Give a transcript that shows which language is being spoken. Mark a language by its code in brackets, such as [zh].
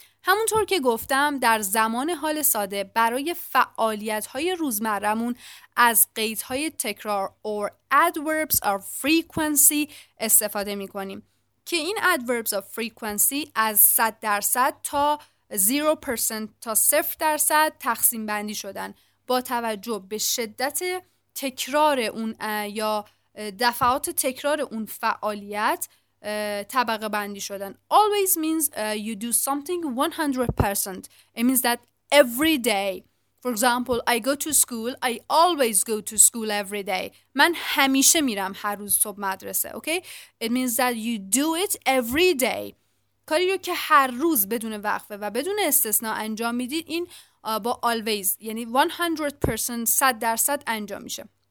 [fa] همونطور که گفتم، در زمان حال ساده برای فعالیت‌های روزمره‌مون از قیدهای تکرار [en] or adverbs of frequency [fa] استفاده می‌کنیم که این [en] adverbs of frequency [fa] از 100% تا 0% تا 0% تقسیم بندی شدن با توجه به شدت تکرار اون یا دفعات تکرار اون فعالیت طبقه بندی شدن. [en] Always means you do something 100%. It means that every day. For example, I go to school. I always go to school every day. [fa] من همیشه میرم هر روز صبح مدرسه. [en] Okay? It means that you do it every day. [fa] کاری رو که هر روز بدون وقفه و بدون استثناء انجام میدید، این با always یعنی 100% 100% انجام میشه.